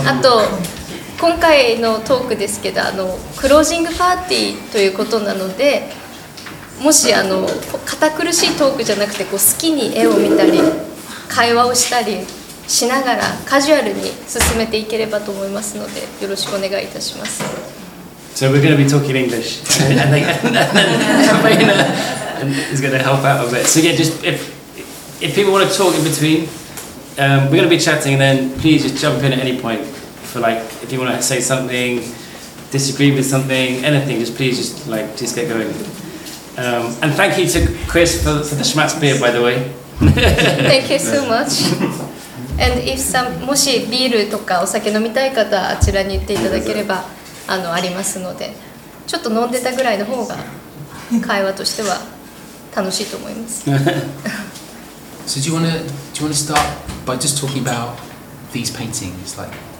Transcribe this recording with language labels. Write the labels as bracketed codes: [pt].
[ja] あと今回のトークですけど、クロージングパーティーということなので、もし堅苦しいトークじゃなくてこう好きに絵を見たり会話をしたりしながらカジュアルに進めていければと思いますので、よろしくお願いいたします。 [en] So we're going to be talking English and Sabrina is going to help out a bit. So yeah, just if people want to talk in between, we're going to be chatting and then please just jump in at any pointfor like if you want to say something, disagree with something, anything, just please just get going. And thank you to Chris for the Schmatz beer, by the way. Thank you so much. And if some, [ja] もしビールとかお酒飲みたい方はあちらに行っていただければありますので、ちょっと飲んでたぐらいの方が会話としては楽しいと思います。 [en] So do you want to start by just talking about these paintings, like?